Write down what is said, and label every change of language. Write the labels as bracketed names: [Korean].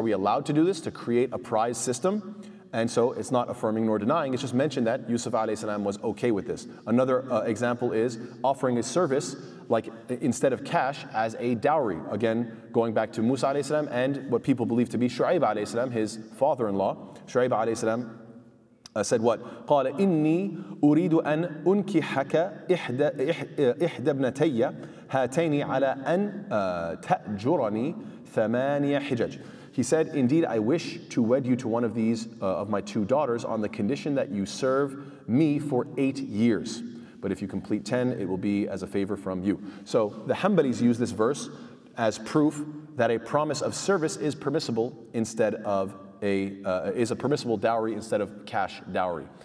[English] Are we allowed to do this, to create a prize system? And so it's not affirming nor denying, it's just mentioned that Yusuf alayhi salam was okay with this. Another example is offering a service, like instead of cash, as a dowry. Again, going back to Musa alayhi salam and what people believe to be Shu'aib alayhi salam, his father-in-law. Shu'aib alayhi salam said what? [Arabic] قَالَ إِنِّي أُرِيدُ أَنْ أُنْكِحَكَ إِحْدَى ابْنَتَيَّ هَاتَيْنِ عَلَى أَنْ تَأْجُرَنِي ثَمَانِيَ حِجَجٍ. [English] He said, indeed, I wish to wed you to one of these, of my two daughters, on the condition that you serve me for 8 years. But if you complete 10, it will be as a favor from you. So the Hanbalis use this verse as proof that a promise of service is permissible instead of is a permissible dowry instead of cash dowry.